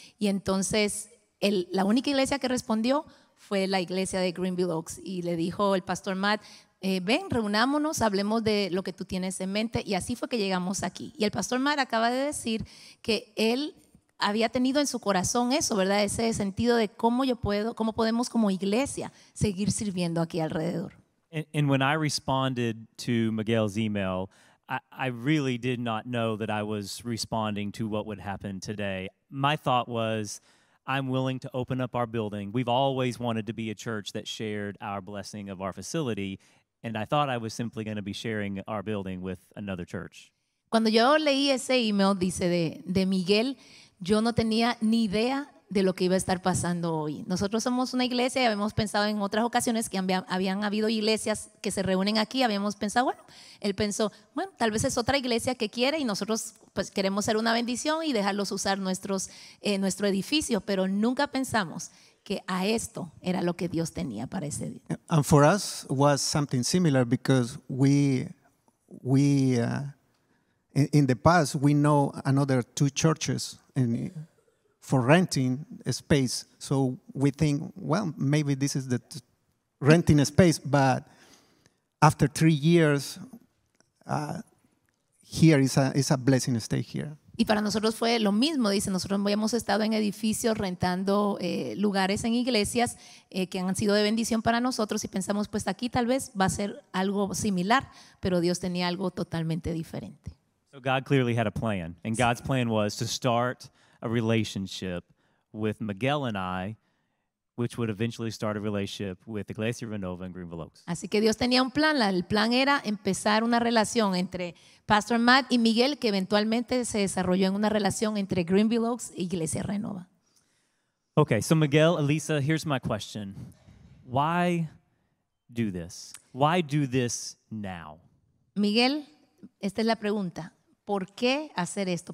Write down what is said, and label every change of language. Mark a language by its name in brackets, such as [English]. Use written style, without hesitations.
[Spanish] Y entonces la única iglesia que respondió fue la iglesia de Greenville Oaks. Y le dijo el pastor Matt, Ven, reunámonos, hablemos de lo que tú tienes en mente. Y así fue que llegamos aquí. Y el pastor Mar acaba de decir que él había tenido en su corazón eso, ¿verdad? Ese sentido de cómo yo puedo, cómo podemos como iglesia seguir sirviendo aquí alrededor. [English] And when I responded to Miguel's email, I really did not know that I was responding to what would happen today. My thought was, I'm willing to open up our building. We've always wanted to be a church that shared our blessing of our facility, and I thought I was simply going to be sharing our building with another church. [Spanish] Cuando yo leí ese email, dice de Miguel, yo no tenía ni idea de lo que iba a estar pasando hoy. Nosotros somos una iglesia y habíamos pensado en otras ocasiones que habían habido iglesias que se reúnen aquí, habíamos pensado, bueno, él pensó, bueno, tal vez es otra iglesia que quiere y nosotros pues queremos ser una bendición y dejarlos usar nuestro edificio, pero nunca pensamos que a esto era lo que Dios tenía para ese día. [English] And for us was something similar because in the past we know another two churches in for renting a space, so we think, well, maybe this is the renting a space, but after 3 years, here is a blessing to stay here. [Spanish] Y para nosotros fue lo mismo, dice, nosotros habíamos estado en edificios rentando lugares en iglesias que han sido de bendición para nosotros y pensamos, pues aquí tal vez va a ser algo similar, pero Dios tenía algo totalmente diferente. [English] So God clearly had a plan, and God's plan was to start a relationship with Miguel and I, which would eventually start a relationship with Iglesia Renova and Greenville Oaks. [Spanish] Así que Dios tenía un plan. El plan era empezar una relación entre Pastor Matt y Miguel, que eventualmente se desarrolló en una relación entre Greenville Oaks y Iglesia Renova. [English] Okay, so Miguel, Elisa, here's my question: why do this? Why do this now? [Spanish] Miguel, esta es la pregunta: ¿por qué hacer esto?